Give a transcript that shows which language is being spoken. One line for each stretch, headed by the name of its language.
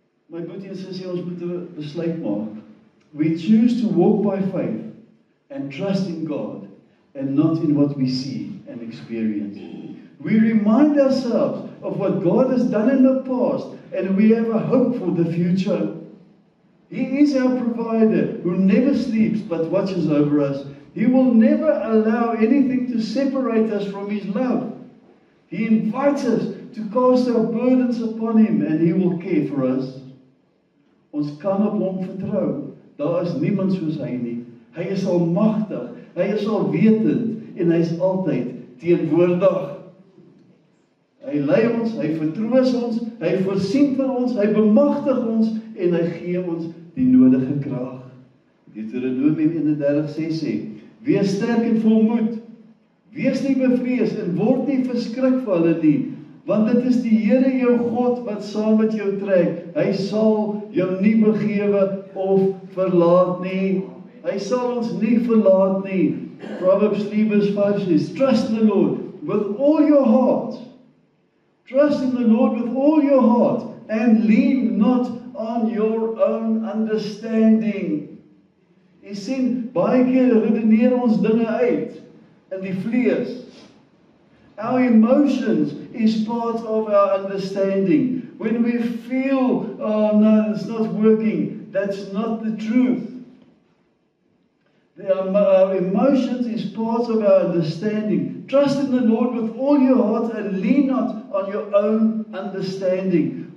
Afrikaans: My boetie en sussie, ons moet 'n besluit maak.
English: We choose to walk by faith and trust in God and not in what we see and experience. We remind ourselves of what God has done in the past and we have a hope for the future. He is our provider who never sleeps but watches over us. He will never allow anything to separate us from His love. He invites us to cast our burdens upon Him and He will care for us.
Afrikaans: Ons kan op Hom vertrou. Daar is niemand soos Hy nie. Hy is almagtig, Hy is alwetend en Hy is altyd teenwoordig. Hy lei ons, Hy vertroos ons, Hy voorsien vir ons, Hy bemagtig ons en Hy gee ons die nodige krag. Deuteronomium 31:6 sê, wees sterk en volmoed, Wees nie bevrees en word nie verskrik vir hulle nie, want dit is die Here jou God wat saam met jou trek. Hy sal jou nie begewe of verlaat nie. Hy sal ons nie verlaat nie.
English: Proverbs 3:5 says, trust in the Lord with all your heart. Trust in the Lord with all your heart and lean not on your own understanding.
Afrikaans: Jy sien, baie keer redeneer ons dinge uit in die vlees.
English: Our emotions is part of our understanding. When we feel, oh no, it's not working, that's not the truth. Our emotions is part of our understanding. Trust in the Lord with all your heart and lean not on your own understanding.